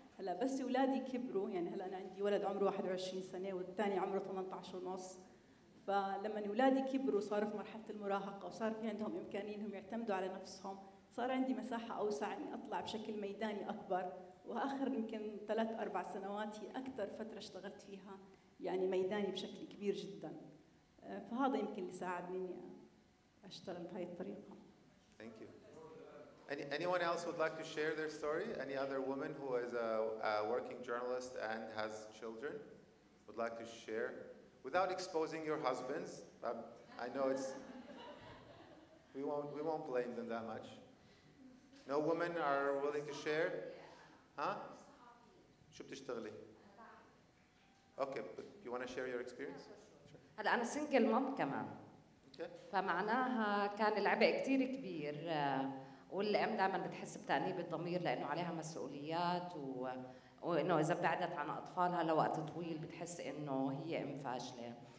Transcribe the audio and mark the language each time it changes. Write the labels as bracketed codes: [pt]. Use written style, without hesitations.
[ar] هلا بس اولادي كبروا، يعني هلا انا عندي ولد عمره 21 سنه والثاني عمره 18 ونص، فلما اولادي كبروا صاروا في مرحله المراهقه وصار في عندهم امكانيتهم يعتمدوا على نفسهم، صار عندي مساحه اوسع اني اطلع بشكل ميداني اكبر. واخر يمكن 3-4 سنوات هي اكثر فتره اشتغلت فيها يعني ميداني بشكل كبير جدا، فهذا يمكن اللي ساعدني اني اشتغل بهاي الطريقه. [en] Thank you. Anyone else would like to share their story? Any other woman who is a working journalist and has children would like to share without exposing your husbands? I know it's we won't blame them that much. No women are willing to share? Huh? شو بتشتغلي؟ Okay, but you want to share your experience? [ar] هلا أنا single mom كمان. فمعناها كان العبء كثير كبير، والام دائما بتحس بتأنيب الضمير لانه عليها مسؤوليات، وانه اذا بعدت عن اطفالها لوقت طويل بتحس انه هي ام فاشله.